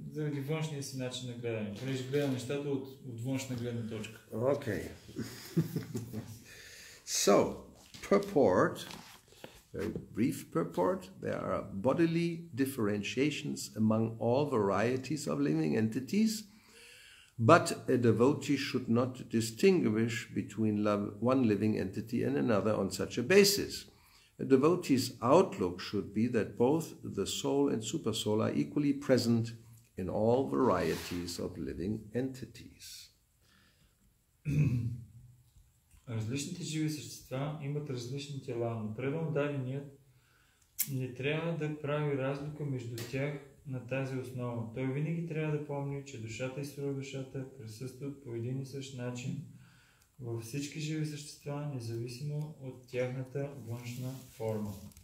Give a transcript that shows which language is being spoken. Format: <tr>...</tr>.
<bg>заради външния си начин на гледане. Понеже гледам нещата от, от външна гледна точка.</bg> <en>Okay. So, purport, very brief purport, there are bodily differentiations among all varieties of living entities, but a devotee should not distinguish between one living entity and another on such a basis. A devotee's outlook should be that both the soul and supersoul are equally present in all varieties of living entities.</en> <bg>Различните живи същества имат различни тела, но преднамереният не трябва да прави разлика между тях на тази основа. Той винаги трябва да помни, че душата и сурдушата присъстват по един и същ начин във всички живи същества, независимо от тяхната външна форма.</bg>